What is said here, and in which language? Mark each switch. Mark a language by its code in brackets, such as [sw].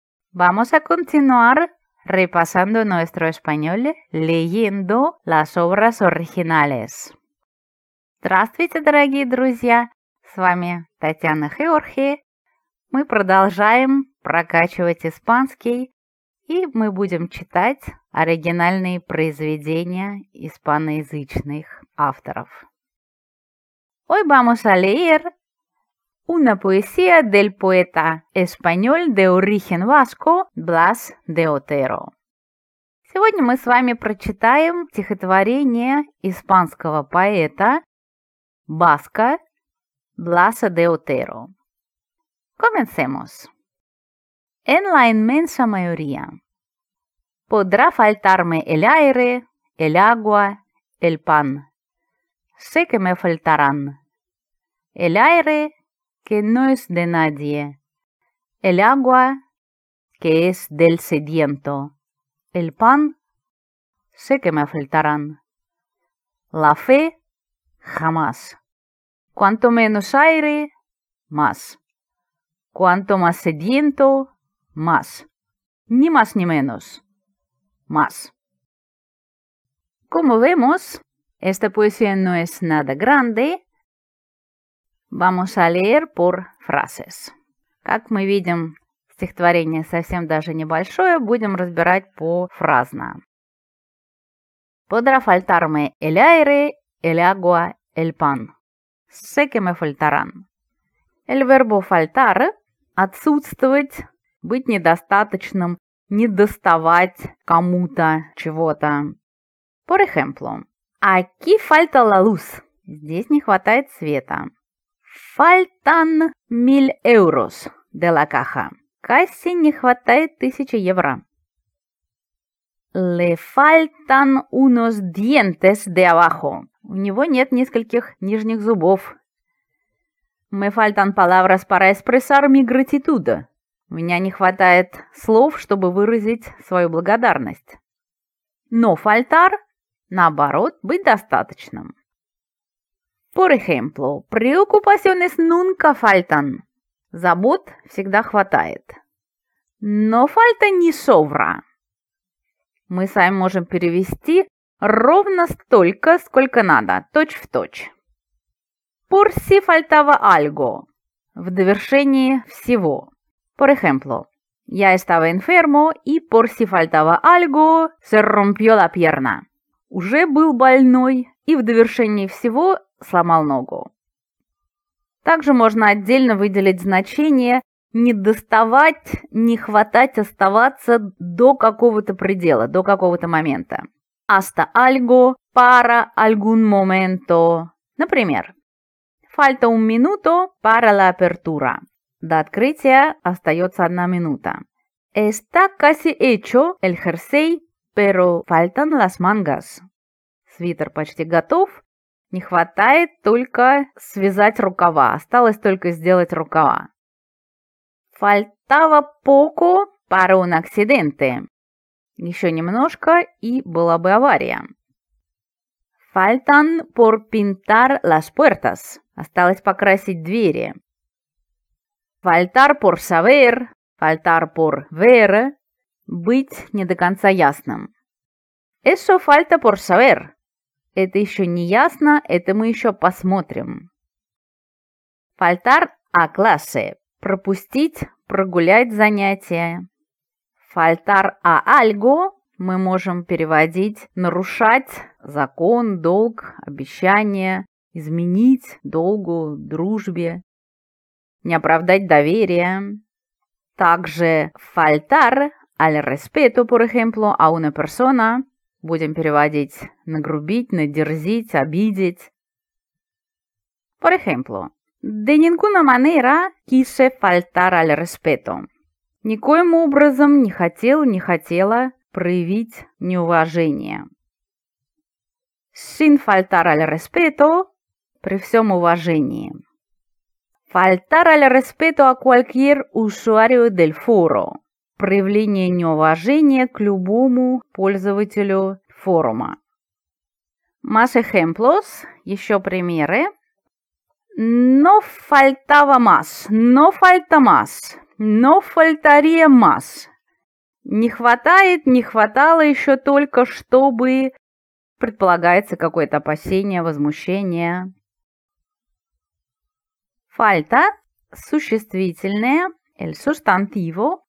[es] Vamos a continuar repasando nuestro español leyendo las obras originales. [ru] Здравствуйте, дорогие друзья, с вами Татьяна Георгий. Мы продолжаем прокачивать испанский, и мы будем читать оригинальные произведения испаноязычных авторов. [es] Hoy vamos a leer una poesía del poeta español de origen vasco Blas de Otero. [ru] Сегодня мы с вами прочитаем стихотворение испанского поэта баска Бласа де Отеро. [es] Comencemos. En la inmensa mayoría podrá faltarme el aire, el agua, el pan. Sé que me faltarán. El aire, que no es de nadie. El agua, que es del sediento. El pan, sé que me faltarán. La fe, jamás. Cuanto menos aire, más. Cuanto más sediento, más. Ni más ni menos, más. Como vemos, esta poesía no es nada grande. Vamos a leer por frases. [ru] Как мы видим, стихотворение совсем даже небольшое, будем разбирать по фразно. [es] Podrá faltarme el aire, el agua, el pan. Sé que me faltarán. El verbo faltar [ru] – отсутствовать, быть недостаточным, недоставать кому-то чего-то. [es] Por ejemplo, aquí falta la luz. [ru] Здесь не хватает света. [es] Faltan 1000 euros de la caja. Casi [ru] не хватает 1000 евро. [es] Le faltan unos dientes de abajo. [ru] У него нет нескольких нижних зубов. [es] Me faltan palabras para expresar mi gratitud. [ru] У меня не хватает слов, чтобы выразить свою благодарность. [es] No faltar, [ru] наоборот, быть достаточным. [es] Por ejemplo, preocupaciones nunca faltan. [ru] Забот всегда хватает. [es] No falta ni sobra. [ru] Мы с вами можем перевести ровно столько, сколько надо, точь в точь. [es] Por si faltaba algo. [ru] В довершении всего. [es] Por ejemplo, [ru] я [es] estaba enfermo y por si faltaba algo se rompió la pierna. [ru] Уже был больной и в довершении всего сломал ногу. Также можно отдельно выделить значение не доставать, не хватать, оставаться до какого-то предела, до какого-то момента. [es] Hasta algo, para algún momento. [ru] Например, [es] falta un minuto para la apertura. [ru] До открытия остается 1 минута. [es] Está casi hecho el jersey, pero faltan las mangas. [ru] Свитер почти готов. Не хватает только связать рукава. Осталось только сделать рукава. [es] Faltaba poco para un accidente. [ru] Еще немножко, и была бы авария. [es] Faltan por pintar las puertas. [ru] Осталось покрасить двери. [es] Faltar por saber. Faltar por ver. [ru] Быть не до конца ясным. [es] Eso falta por saber. [ru] Это еще не ясно, это мы еще посмотрим. [es] Faltar a clase [ru] – пропустить, прогулять занятия. [es] Faltar a algo [ru] – мы можем переводить «нарушать закон, долг, обещание, изменить долгу, дружбе, не оправдать доверие». Также [es] faltar al respeto, por ejemplo, a una persona [ru] – будем переводить «нагрубить», «надерзить», «обидеть». [es] Por ejemplo, de ninguna manera quise faltar al respeto. [ru] Никоим образом не хотел, не хотела проявить неуважение. [es] Sin faltar al respeto – [ru] при всем уважении. [es] Faltar al respeto a cualquier usuario del foro – [ru] проявление неуважения к любому пользователю форума. [es] Más ejemplos, [ru] еще примеры. [es] No faltaba más, no falta más, no faltaría más. [ru] Не хватает, не хватало еще только, чтобы... Предполагается какое-то опасение, возмущение. [es] Falta – [ru] существительное, [es] el sustantivo.